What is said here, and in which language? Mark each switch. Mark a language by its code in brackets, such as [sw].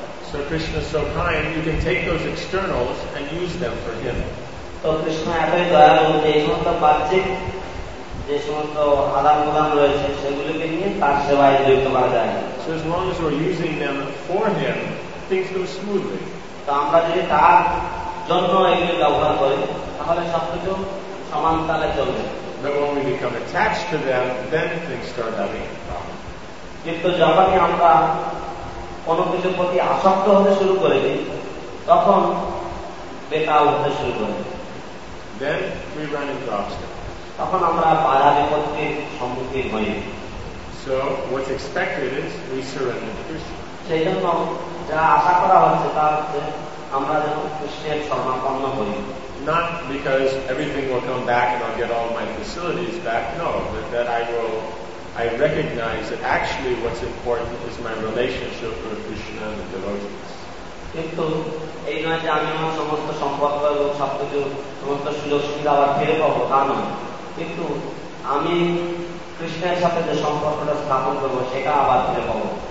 [en] So Krishna is so kind, you can take those externals and use them for him. [bn] So Krishna এতই দয়ালু যে এই সমস্ত বাহ্যিক যে সমস্ত আদান প্রদান রয়েছে সেগুলিকে নিয়ে তার সেবায় যুক্ত করা যায়। [en] So as long as we're using them for him, things go smoothly. [bn] তো আমরা যদি তার জন্য এগুলি ব্যবহার করি তাহলে সবকিছু সমান তালে চলবে। [en] But when we become attached to them, then things start having a problem. [bn] কিন্তু যখনই আমরা কোনো কিছুর প্রতি আসক্ত হতে শুরু করে দিই তখন বেকার হতে শুরু করে [en] Then we run into obstacles. [bn] তখন আমরা বাধা বিপত্তির সম্মুখীন হই। [en] So what's expected is we surrender to Krishna. [bn] সেই জন্য যা আশা করা হচ্ছে তা হচ্ছে আমরা যেন কৃষ্ণের শরণাপন্ন হই। [en] Not because everything will come back and I'll get all my facilities back. No, but that I recognize that actually what's important is my relationship with Krishna and the devotees. [bn] কিন্তু এই নয় যে আমি আমার সমস্ত সম্পর্ক এবং সবকিছু সমস্ত সুযোগ সুবিধা আবার ফিরে পাবো তা নয়, কিন্তু আমি কৃষ্ণের সাথে যে সম্পর্কটা স্থাপন করবো সেটা আবার ফিরে পাবো।